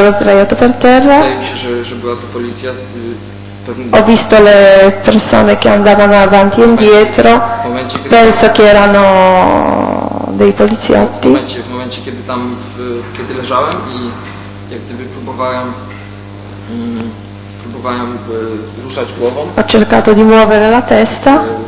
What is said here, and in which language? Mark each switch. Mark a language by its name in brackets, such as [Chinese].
[Polish] Wydaje mi się, że była to policja. [Italian] Ho visto le persone che andavano avanti e indietro. Penso che erano dei poliziotti. [Polish] W momencie kiedy leżałem i jak gdyby próbowałem ruszać głową. [Italian] Ho cercato di muovere la testa.